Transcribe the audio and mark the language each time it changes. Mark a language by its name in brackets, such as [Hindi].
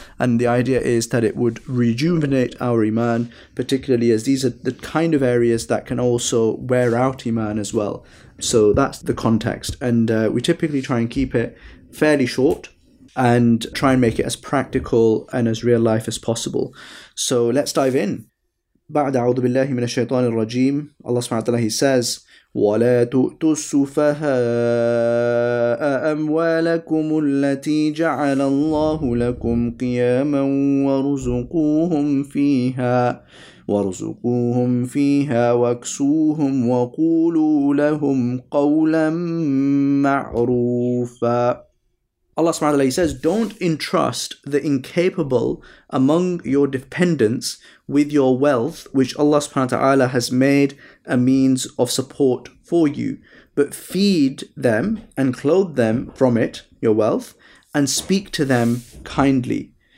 [English] And the idea is that it would rejuvenate our iman, particularly as these are the kind of areas that can also wear out iman as well. So that's the context. And we typically try and keep it fairly short and try and make it as practical and as real life as possible. So let's dive in. [Arabic] بعد أعوذ بالله من الشيطان الرجيم الله سبحانه وتعالى [English] says [Arabic] ولا تؤتوا السفهاء أموالكم التي جعل الله لكم قياما وارزقوهم فيها واكسوهم وقولوا لهم قولا معروفا. [English] Allah subhanahu wa ta'ala, he says, don't entrust the incapable among your dependents with your wealth, which Allah subhanahu wa ta'ala has made a means of support for you. But feed them and clothe them from it, your wealth, and speak to them kindly.